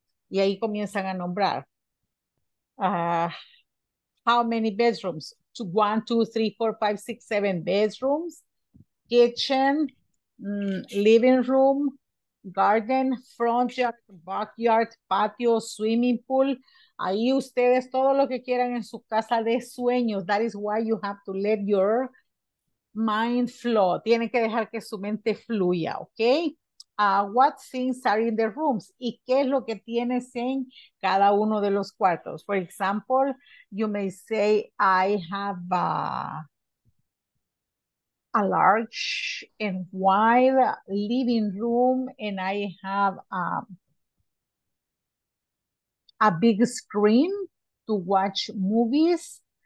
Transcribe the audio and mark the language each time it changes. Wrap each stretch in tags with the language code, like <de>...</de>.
<es>Y ahí comienzan a nombrar.</es> <en>How many bedrooms? 1, 2, 3, 4, 5, 6, 7 bedrooms, kitchen, living room, garden, front yard, backyard, patio, swimming pool.</en> <es>Ahí ustedes todo lo que quieran en su casa de sueños.</es> <en>That is why you have to let your mind flow.</en> <es>Tienen que dejar que su mente fluya, okay?</es> <en>What things are in the rooms?</en> <es>¿Y qué es lo que tienes en cada uno de los cuartos?</es> <en>For example, you may say, I have a a large and wide living room, and I have a big screen to watch movies.</en>